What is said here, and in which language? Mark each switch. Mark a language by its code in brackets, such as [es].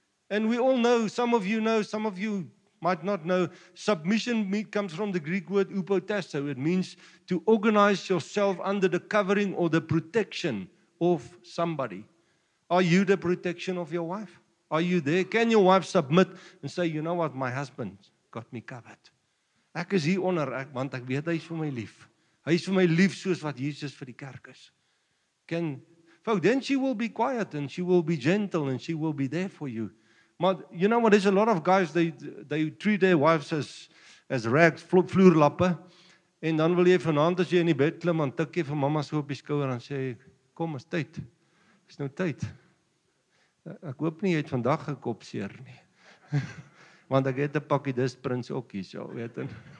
[en] And we all know, some of you might not know, submission comes from the Greek word upotasso. It means to organize yourself under the covering or the protection of somebody. Are you the protection of your wife? Are you there? Can your wife submit and say, you know what, my husband got me covered. [af] Ek is hier onder, want ek weet hy is vir my lief. Hy is vir my lief soos wat Jesus vir die kerk is. [en] Then she will be quiet and she will be gentle and she will be there for you. But you know what, there's a lot of guys, they treat their wives as rags, vloerlappe. [af] En dan wil jy vanavond as jy in die bed klim, dan tik jy vir mama so op die skouer en sê, kom, is tyd. Is nou tyd. Ek hoop nie jy het vandag gekop seer nie. Want ek het 'n pakkie dis prins ook hier, so weet en.